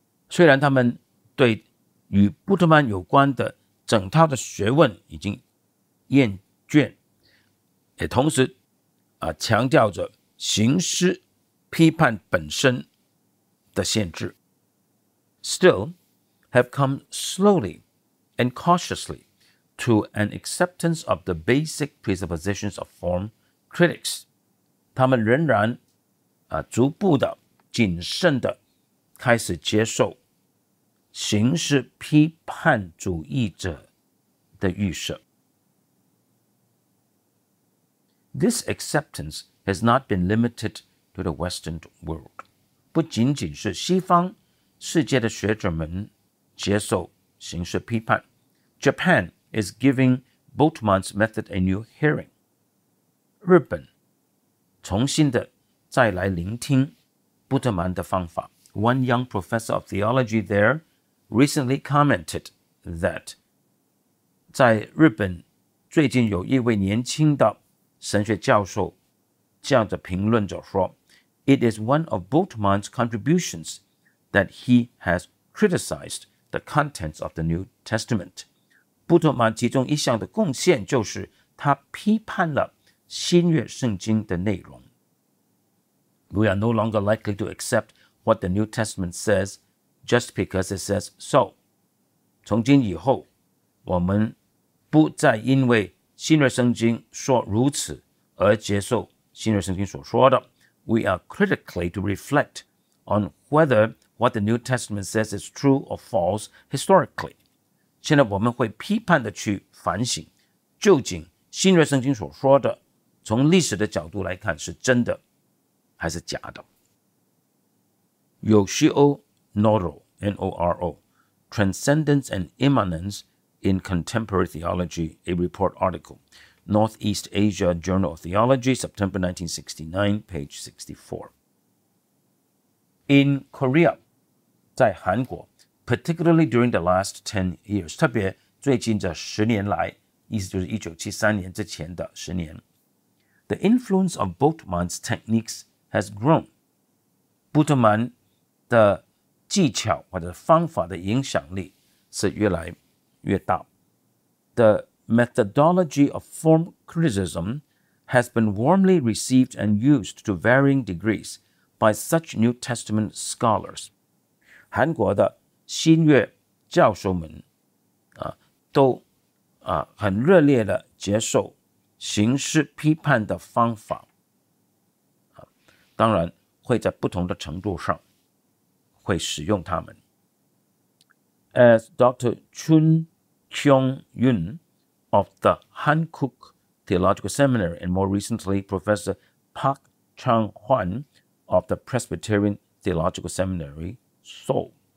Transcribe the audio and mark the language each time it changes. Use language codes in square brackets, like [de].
[zh] 虽然他们对与布特曼有关的整套的学问已经厌倦，也同时强调着形式批判本身的限制， [en] still have come slowly and cautiously to an acceptance of the basic presuppositions of form critics. [zh] 他们仍然逐步的谨慎的开始接受形式批判主义者的预设。 [en] This acceptance has not been limited to the Western world. [zh] 不仅仅是西方世界的学者们接受形式批判。 [en] Japan is giving Bultmann's method a new hearing. [zh] 日本重新的再来聆听布特曼的方法。 [en] One young professor of theology there recently commented that [zh] 在日本最近有一位年轻的神学教授这样的评论者说， [en] It is one of Bultmann's contributions that he has criticized the contents of the New Testament. [zh] 布特曼其中一项的贡献就是他批判了新约圣经的内容。 [en] We are no longer likely to accept what the New Testament says just because it says so. [zh] 从今以后，我们不再因为新约圣经说如此而接受新约圣经所说的。 [en] We are critically to reflect on whether what the New Testament says is true or false historically. [zh] 现在我们会批判的去反省，究竟新约圣经所说的从历史的角度来看是真的还是假的。 [en] Yoshio Noro, N-O-R-O, Transcendence and Immanence in Contemporary Theology, a report article, Northeast Asia Journal of Theology, September 1969, page 64. In Korea, [zh] 在韩国， [en] particularly during the last 10 years, [zh] 特别最近这十年来，意思就是1973年之前的十年， [en] the influence of Bultmann's techniques has grown. [zh] 布特曼的技巧或者方法的影响力是越来越大。 [en] The methodology of form criticism has been warmly received and used to varying degrees by such New Testament scholars. [zh] 韩国的新约教授们都很热烈的接受形式批判的方法，当然会在不同的程度上会使用他们。 [en] As Dr. Chun Kyung Yun of the Hankook Theological Seminary and more recently Professor Park Chang Hwan of the Presbyterian Theological Seminary, Seoul.